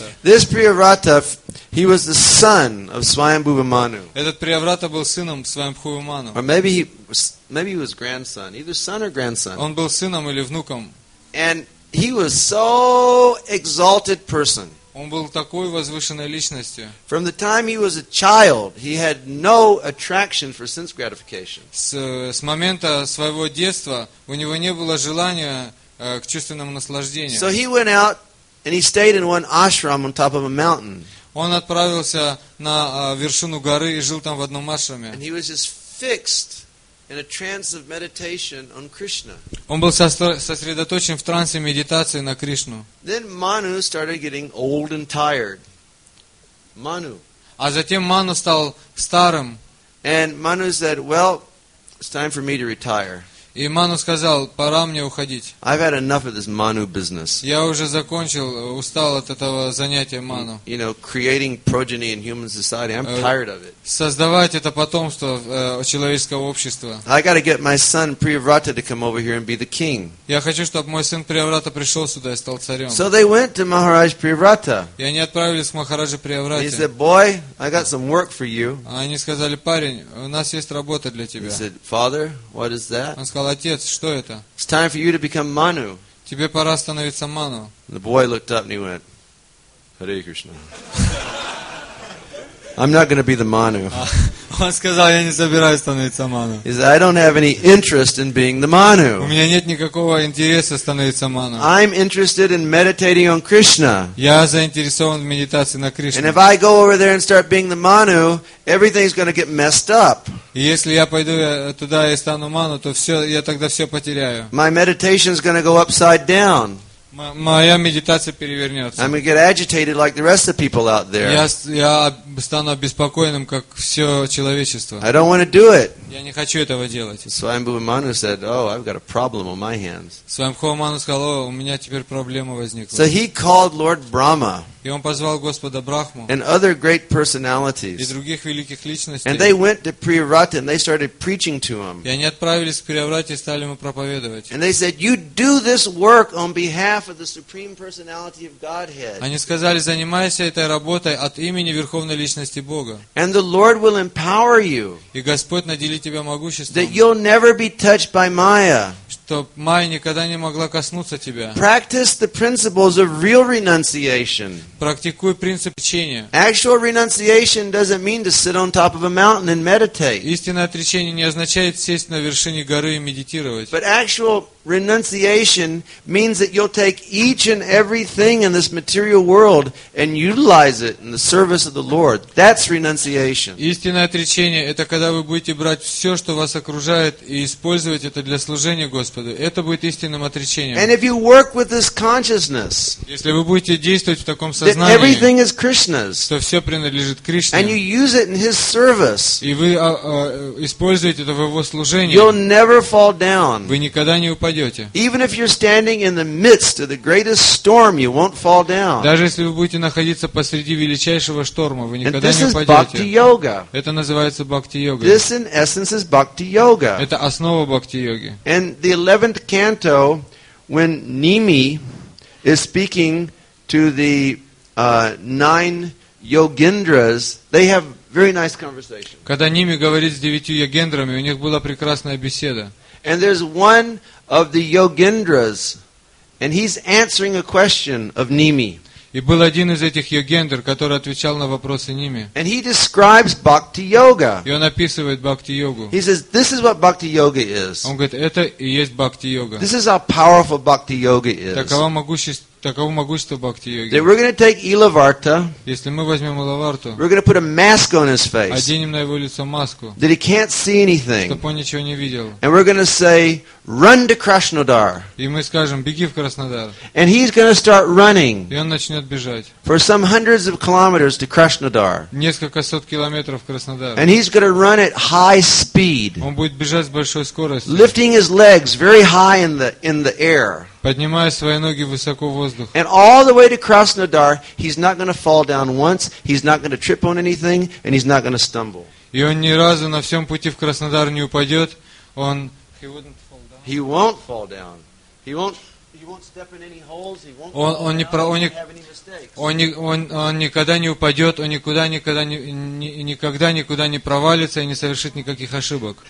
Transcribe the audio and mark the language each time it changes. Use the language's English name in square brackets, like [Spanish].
[English] This Priyavrata, he was the son of Swayambhuva Manu. [Russian] Этот Приаврата был сыном Свайамбхувы Ману. [English] Or maybe he was grandson, either son or grandson. [Russian] Он был сыном или внуком. [English] And he was so exalted person. [Russian] Он был такой возвышенной личностью. [English] From the time he was a child, he had no attraction for sense gratification. [Russian] С момента своего детства у него не было желания к чувственному наслаждению. [English] So he went out and he stayed in one ashram on top of a mountain. [Russian] Он отправился на вершину горы и жил там в одном ашраме. [English] And he was just fixed in a trance of meditation on Krishna. [Russian] Он был сосредоточен в трансе медитации на Кришну. [English] Then Manu started getting old and tired. Manu. [Russian] А затем Ману стал старым. [English] And Manu said, "Well, it's time for me to retire." [Russian] И Ману сказал: "Пора мне уходить." [English] I've had enough of this Manu business. [Russian] Я уже закончил, устал от этого занятия Ману. [English] You know, creating progeny in human society. I'm tired of it. [Russian] Создавать это потомство человеческого общества. [English] I got to get my son Priyavrata to come over here and be the king. [Russian] Я хочу, чтобы мой сын Priyavrata пришел сюда и стал царем. [English] So they went to Maharaj Priyavrata. [Russian] И они отправились к Махараджу Priyavrata. [English] He said, "Boy, I got some work for you." [Russian] Они сказали: "Парень, у нас есть работа для тебя." [English] He said, "Father, what is that?" [Russian] Сказал: "Отец, что это?" [English] It's time for you to become Manu. [Russian] Тебе пора становиться Ману. [English] The boy looked up and he went, "Hare Krishna." I'm not going to be the Manu. [Russian] Он сказал: "Я не собираюсь становиться Ману." [English] He said, "I don't have any interest in being the Manu." [Russian] У меня нет никакого интереса становиться Ману. [English] I'm interested in meditating on Krishna. [Russian] Я заинтересован в медитации на Кришне. [English] And if I go over there and start being the Manu, everything's going to get messed up. [Russian] И если я пойду туда и стану Ману, то все, я тогда все потеряю. [English] My meditation is going to go upside down. [Russian] Моя медитация перевернется. [English] I'm going to get agitated like the rest of the people out there. [Russian] Я стану обеспокоенным, как все человечество. [English] I don't want to do it. [Russian] Я не хочу этого делать. [English] Swayambhu Manu said, "Oh, I've got a problem on my hands." [Russian] Swayambhu Manu сказал: "О, у меня теперь проблема возникла." [English] So he called Lord Brahma. [Russian] И он позвал Господа Брахму. [English] And other great personalities. [Russian] И других великих личностей. [English] And they went to Priyavrata and they started preaching to him. [Russian] И они отправились к Priyavrata и стали ему проповедовать. [English] And they said, "You do this work on behalf of the Supreme Personality of Godhead." [Russian] Они сказали: "Занимайся этой работой от имени Верховной Личности Бога." [English] And the Lord will empower you. [Russian] И Господь наделит тебя могуществом. [English] That you'll never be touched by Maya. [Russian] Чтоб Майя никогда не могла коснуться тебя. [English] Practice the principles of real renunciation. [Russian] Практикуй принцип отречения. [English] Actual renunciation doesn't mean to sit on top of a mountain and meditate. [Russian] Истинное отречение не означает сесть на вершине горы и медитировать. [English] But actual renunciation means that you'll take each and everything in this material world and utilize it in the service of the Lord. That's renunciation. [Russian] Истинное отречение — это когда вы будете брать все, что вас окружает, и использовать это для служения Господу. Это будет истинным отречением. [English] And if you work with this consciousness, [Russian] если вы будете действовать в таком сознании, [English] that everything is Krishna's, [Russian] то все принадлежит Кришне, [English] and you use it in His service, [Russian] и вы используете это в Его служении, [English] you'll never fall down. [Russian] Вы никогда не упадете. [English] Even if you're standing in the midst of the greatest storm, you won't fall down. [Russian] Даже если вы будете находиться посреди величайшего шторма, вы никогда не упадете. [English] And this is bhakti yoga. [Russian] Это называется бхакти йога. [English] This in essence is bhakti yoga. [Russian] Это основа бхакти йоги. [English] And the 11th canto, when Nimi is speaking to the nine yogindras, they have very nice conversation. [Russian] Когда Nimi говорит с девятью йогиндрами, у них была прекрасная беседа. [English] And there's one of the yogindras, and he's answering a question of Nimi. [Russian] И был один из этих йогендр, который отвечал на вопросы Nimi. [English] And he describes bhakti yoga. [Russian] И он описывает бхакти йогу. [English] He says, "This is what bhakti yoga is." [Russian] Он говорит: "Это и есть бхакти йога." [English] This is how powerful bhakti yoga is. [Russian] Таково могущество бхакти йоги. [English] That we're going to take Ilavarta. [Russian] Если мы возьмем Илаварту. [English] We're going to put a mask on his face. [Russian] Оденем на его лицо маску. [English] That he can't see anything. [Russian] Чтобы он ничего не видел. [English] And we're going to say, "Run to Krasnodar." [Russian] И мы скажем: "Беги в Краснодар." [English] And he's going to start running. [Russian] И он начнет бежать. [English] For some hundreds of kilometers to Krasnodar. [Russian] Несколько сот километров в Краснодар. [English] And he's going to run at high speed. [Russian] Он будет бежать с большой скоростью. [English] Lifting his legs very high in the air. [Russian] Поднимая свои ноги высоко в воздух. [English] And all the way to Krasnodar, he's not going to fall down once, he's not going to trip on anything, and he's not going to stumble. [Russian] И он ни разу на всем пути в Краснодар не упадет. Он... [English] He won't fall down. He won't step in any holes. He won't fall down. [Russian] Он никогда не упадет, он никогда никуда не провалится и не совершит никаких ошибок.